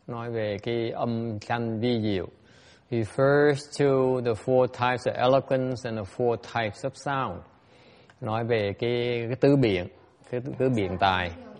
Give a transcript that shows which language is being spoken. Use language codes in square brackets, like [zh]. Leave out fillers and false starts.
[vi] Nói về cái âm thanh vi diệu. [en] Refers to the four types of eloquence and the four types of sound. [vi] Nói về cái tứ biện, cái biện tài.